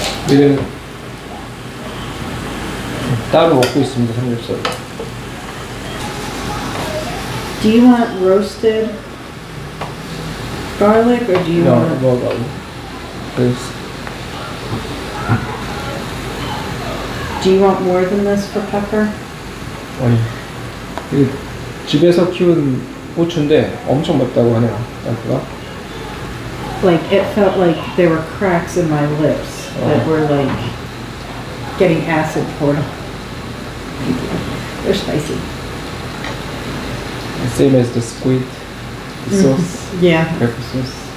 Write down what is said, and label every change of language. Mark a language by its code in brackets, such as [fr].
[ko] 얘는 따로 먹고 있습니다, 삼겹살. [en] Do you want roasted garlic or do you no, want... No, no, no. Please. Do you want more than this for pepper? [ko] 아니, 이게 집에서 키운 고추인데 엄청 맵다고 하네요, 딸꾸가. [en] Like, it felt like there were cracks in my lips that were like getting acid poured. Thank you. They're spicy. Same as the squid, the sauce, yeah. Pepper sauce.